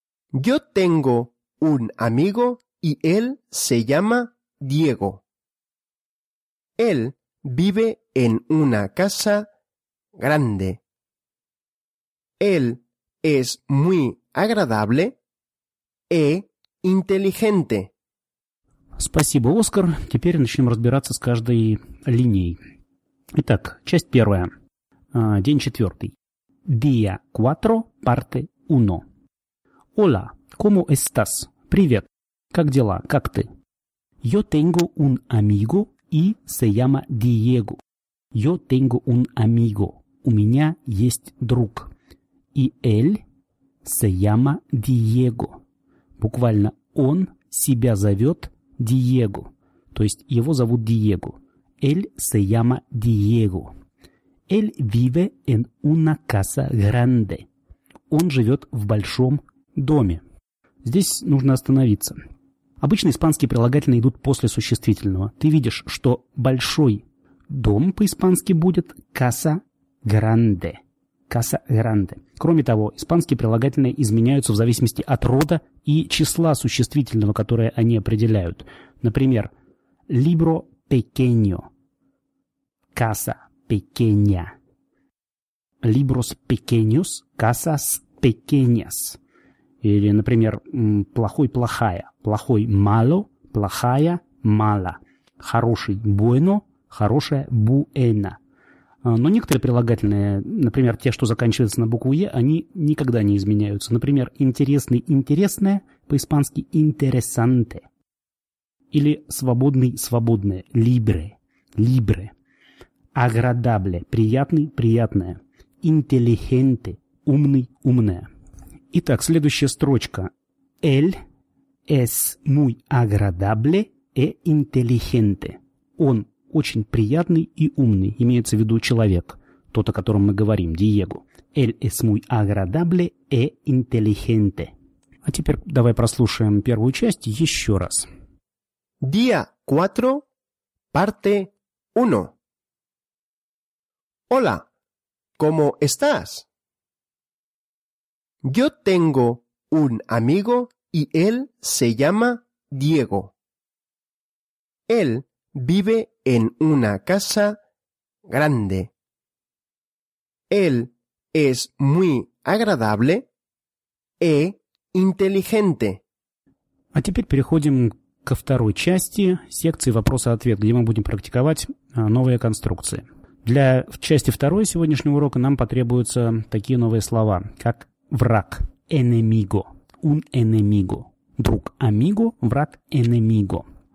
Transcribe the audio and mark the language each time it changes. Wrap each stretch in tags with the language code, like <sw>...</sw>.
<es>Yo tengo un amigo y él se llama Diego. Él vive en una casa grande. Él es muy agradable e inteligente.</es> <ru>Спасибо, Оскар. Теперь начнем разбираться с каждой линией. Итак, часть первая. День четвертый.</ru> <es>Día 4, parte 1. Hola, ¿cómo estás?</es> <ru>Привет. Как дела? Как ты?</ru> <es>Yo tengo un amigo y se llama Diego. Yo tengo un amigo.</es> <ru>У меня есть друг.</ru> <es>И él se llama Diego.</es> <ru>Буквально он себя зовет Диего. То есть его зовут Диего.</ru> <es>Él se llama Diego. Él vive en una casa grande.</es> <ru>Он живет в большом доме. Здесь нужно остановиться. Обычно испанские прилагательные идут после существительного. Ты видишь, что большой дом по-испански будет</ru> <es>casa grande. Casa grande.</es> <ru>Кроме того, испанские прилагательные изменяются в зависимости от рода и числа существительного, которое они определяют.</ru> <es>Например, libro pequeño. Casa pequeña. Libros pequeños, casas pequeñas.</es> <ru>Или, например, плохой, плохая. Плохой, мало, плохая, мало. Хороший, bueno, хорошая, buena. Но некоторые прилагательные, например, те, что заканчиваются на букву «е», они никогда не изменяются. Например, интересный, интересное, по-испански interesante. Или свободный, свободное, libre, libre. Agradable – приятный, приятное. Intelligente – умный, умное. Итак, следующая строчка.</ru> <es>Él es muy agradable e inteligente.</es> <ru>Он очень приятный и умный, имеется в виду человек, тот, о котором мы говорим, Диего.</ru> <es>Él es muy agradable e inteligente.</es> <ru>А теперь давай прослушаем первую часть еще раз.</ru> <es>Día 4, parte 1. Hola, ¿cómo estás? Yo tengo un amigo y él se llama Diego. Él vive en una casa grande. Él es muy agradable e inteligente.</es> <ru>А теперь переходим ко второй части секции «Вопрос-ответ», где мы будем практиковать новые конструкции. Для части второй сегодняшнего урока нам потребуются такие новые слова, как враг, enemigo, un enemigo, друг, amigo, враг, enemigo.</ru>